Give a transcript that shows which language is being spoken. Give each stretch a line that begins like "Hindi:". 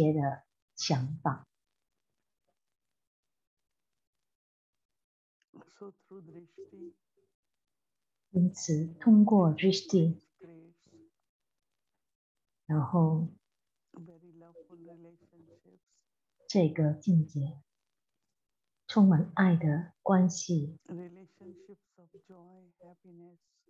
Chinese: 对每个人，对每个灵魂呢，都拥有这个纯洁的想法。
English: So through drishti.
Chinese: 因此，通过drishti。然后,
English: very loveful relationships,
Chinese: 这个境界, 充满爱的关系,
English: relationships of joy, happiness,